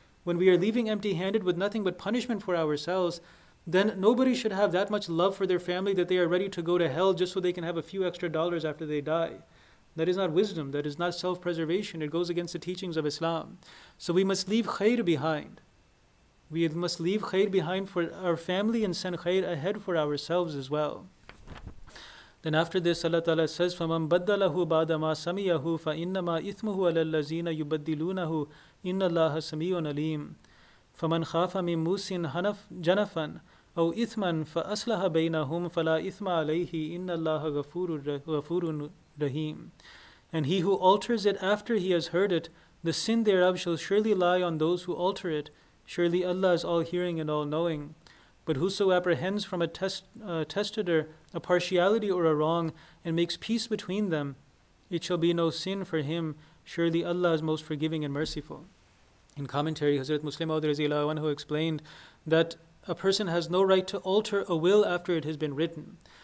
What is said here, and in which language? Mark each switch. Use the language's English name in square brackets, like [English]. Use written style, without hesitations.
[English] When we are leaving empty-handed with nothing but punishment for ourselves, then nobody should have that much love for their family that they are ready to go to hell just so they can have a few extra dollars after they die. That is not wisdom. That is not self-preservation. It goes against the teachings of Islam. So we must leave khair behind. We must leave khair behind for our family and send khair ahead for ourselves as well. Then after this, Allah Ta'ala says, [Arabic] فَمَنْ بَدَّلَهُ بَعْدَ مَا سَمِيَهُ فَإِنَّمَا إِثْمُهُ عَلَى الَّذِينَ يُبَدِّلُونَهُ إِنَّ اللَّهَ سَمِيعٌ عَلِيمٌ فَمَنْ خَافَ مِنْ مُوسٍ جَنَفًا أَوْ إِثْمًا فَأَصْلَحَ بَيْنَهُمْ فَلَا إِثْمَ عَلَيْهِ إِنَّ اللَّهَ غَفُورٌ رَحِيمٌ [English] And he who alters it after he has heard it, the sin thereof shall surely lie on those who alter it. Surely Allah is all-hearing and all-knowing. But whoso apprehends from a testator a partiality or a wrong and makes peace between them, it shall be no sin for him. Surely Allah is most forgiving and merciful. In commentary, Hazrat Muslim Audh explained that a person has no right to alter a will after it has been written.